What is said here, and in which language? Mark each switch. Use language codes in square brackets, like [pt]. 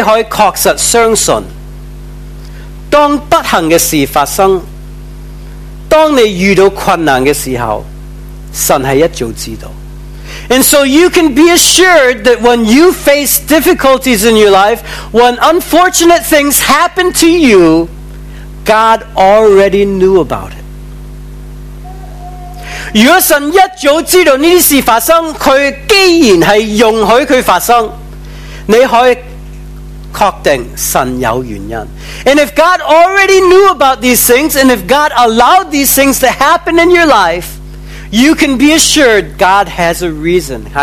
[zh] 所以你可以確實相信, 當不幸的事發生, 當你遇到困難的時候, 神是一早知道。 [en] And so you can be assured that when you face difficulties in your life, when unfortunate things happen to you, God already knew about it. [zh] 如果神一早知道这些事发生，祂既然是容许它发生，你可以确定神有原因。 [en] And if God already knew about these things, and if God allowed these things to happen in your life, you can be assured God has a reason.